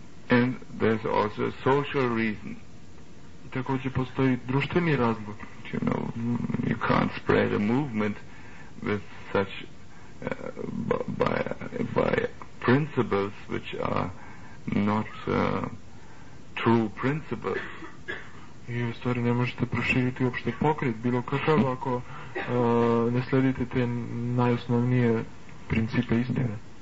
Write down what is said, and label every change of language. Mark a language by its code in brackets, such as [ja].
[en] And there's also a social reason. [sr] I također postoji društveni razlog. [en] You know, you can't spread a movement with such by principles which are not true principles. [sr] I u stvari ne možete proširiti uopšte pokret bilo kakav ako ne sledite te najosnovnije principe istine.